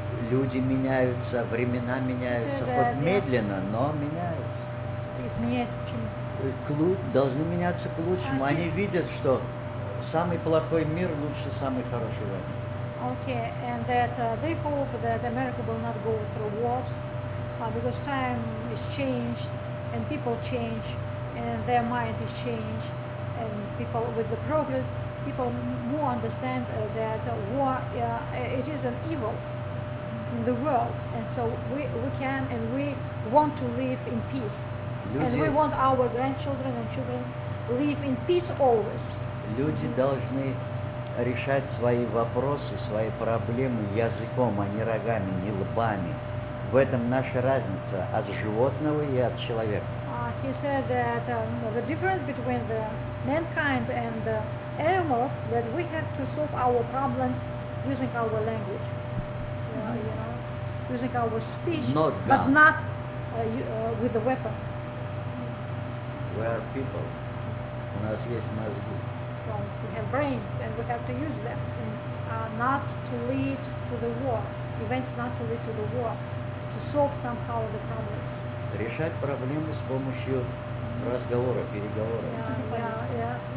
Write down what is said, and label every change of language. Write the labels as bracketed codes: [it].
[ru] Люди меняются, времена меняются, хоть медленно, но меняются. Изменяется почему? Должны меняться к лучшему. Они видят, что самый плохой мир лучше самый хороший войны. [en] Okay, and that they hope that America will not go through wars, because time is changed and people change and their mind is changed and people with the progress, people more understand that war it is an evil in the world, and so we can and we want to live in peace. [ru] Люди, [en] and we want our grandchildren and children live in peace always. [ru] Люди должны решать свои вопросы, свои проблемы языком, а не рогами, не лбами. В этом наша разница от животного и от человека. [en] He said that the difference between the mankind and the animals that we have to solve our problems using our language, using our speech, not but not with the weapon. We are people. [ru] У нас есть мозги. [en] We have brains, and we have to use them, not to lead to the war. Events not to lead to the war, to solve somehow the problems. [ru] Решать проблемы с помощью разговора, переговора.